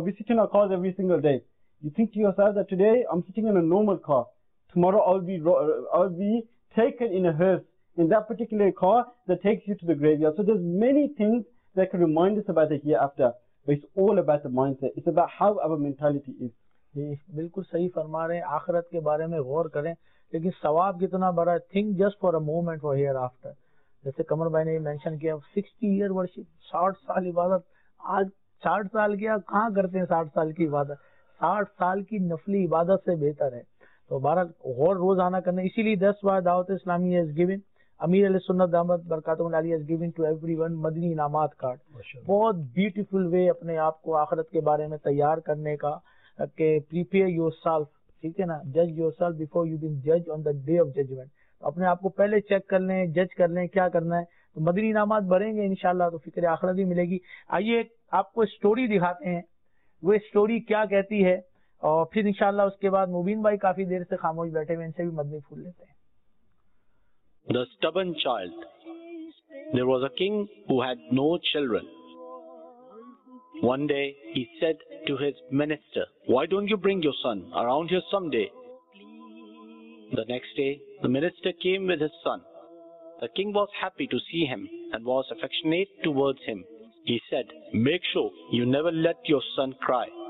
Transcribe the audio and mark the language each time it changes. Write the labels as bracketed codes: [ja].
[en] We sit in our cars every single day. You think to yourself that today I'm sitting in a normal car. Tomorrow I'll be taken in a hearse in that particular car that takes you to the graveyard. So there's many things that can remind us about the hereafter. But it's all about the mindset. It's about how our mentality is. [ur] بالکل صحیح فرما رہے ہیں آخرت کے بارے میں غور کریں لیکن ثواب کتنا بڑا ہے [en] think just for a moment for hereafter [ur] جیسے قمر بھائی نے مینشن کیا 60 ایئر ورشپ 60 سال عبادت آج 60 سال کیا کہاں کرتے ہیں 60 سال کی عبادت 60 سال کی نفلی عبادت سے بہتر ہے تو بارہ غور روزانہ کرنا اسی لیے 10 بار دعوت اسلامی ہیز گیون امیر علیہ سنت دامت برکاتہ علی [en] has given to every one [ur] مدنی انعامات کارڈ بہت [en] beautiful way [ur] اپنے آپ کو آخرت کے بارے میں تیار کرنے کا اپنے آپ کو پہلے چیک کر لیں جج کر لیں کیا کرنا ہے تو مدنی انعامات بھریں گے انشاءاللہ تو فکر آخرت ہی ملے گی آئیے آپ کو اسٹوری دکھاتے ہیں وہ اسٹوری کیا کہتی ہے اور پھر انشاءاللہ اس کے بعد مبین بھائی کافی دیر سے خاموش بیٹھے ہوئے ان سے بھی مدنی پھول لیتے ہیں [en] The stubborn child. There was a king who had no children. One day he said to his minister, "Why don't you bring your son around here someday?" The next day the minister came with his son. The king was happy to see him and was affectionate towards him. He said, "Make sure you never let your son cry